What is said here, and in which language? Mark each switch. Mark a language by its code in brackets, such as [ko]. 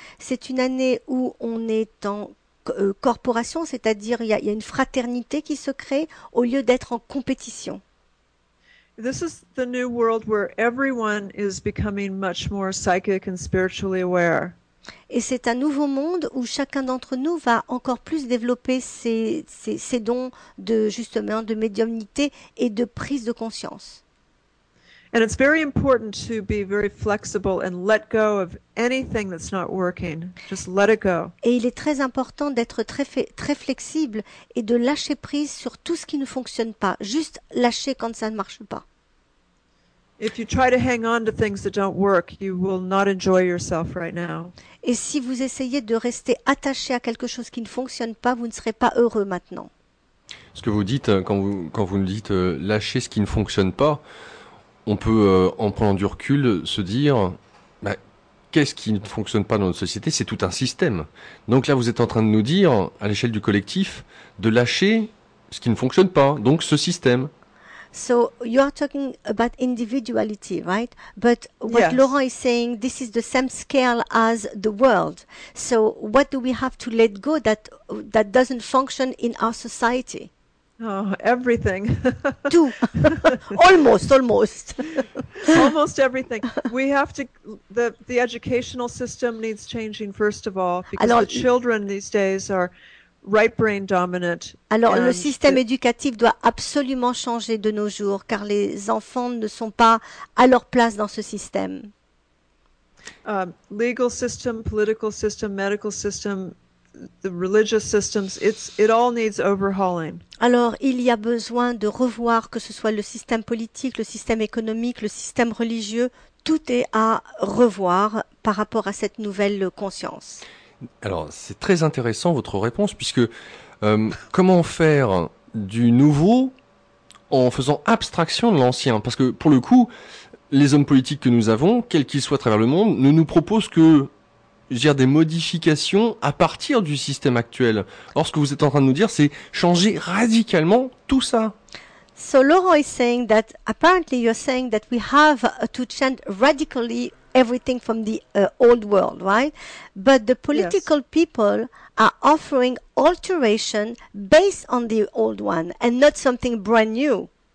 [fr] C'est une année où on est en corporation, c'est-à-dire il y a une fraternité qui se crée au lieu d'être en compétition. [en] This is the new world where everyone is becoming much more psychic and spiritually aware. [fr] Et c'est un nouveau monde où chacun d'entre nous va encore plus développer ses dons de justement de médiumnité et de prise de conscience. [en] And it's very important to be very flexible and let go of anything that's not working. Just let it go. [fr] Et il est très important d'être très très flexible et de lâcher prise sur tout ce qui ne fonctionne pas. Juste lâcher quand ça ne marche pas. [en] If you try to hang on to things that don't work, you will not enjoy yourself right now. [fr] Et si vous essayez de rester attaché à quelque chose qui ne fonctionne pas, vous ne serez pas heureux maintenant. Ce que vous dites quand vous nous dites lâcher ce qui ne fonctionne pas, on peut, en prenant du recul, se dire, bah, qu'est-ce qui ne fonctionne pas dans notre société? C'est tout un système. Donc là, vous êtes en train de nous dire, à l'échelle du collectif, de lâcher ce qui ne fonctionne pas, donc ce système. [en] So you are talking about individuality, right? But what yes. Laurent is saying, this is the same scale as the world. So what do we have to let go that doesn't function in our society? Oh, everything. Two. almost. Almost everything. We have to, the educational system needs changing first of all, because the children these days are right brain dominant. [fr] Alors, le système éducatif doit absolument changer de nos jours, car les enfants ne sont pas à leur place dans ce système. [en] Legal system, political system, medical system, the religious systems, it all needs overhauling. [fr] Alors, il y a besoin de revoir, que ce soit le système politique, le système économique, le système religieux, tout est à revoir par rapport à cette nouvelle conscience. Alors, c'est très intéressant votre réponse, puisque comment faire du nouveau en faisant abstraction de l'ancien? Parce que, pour le coup, les hommes politiques que nous avons, quels qu'ils soient à travers le monde, ne nous proposent que des modifications à partir du système actuel. Or, ce que vous êtes en train de nous dire, c'est changer radicalement tout ça. [en] So, Laurent is saying that, apparently you're saying that we have to change radically everything from the old world, right? But the political yes. people are offering alteration based on the old one and not something brand new.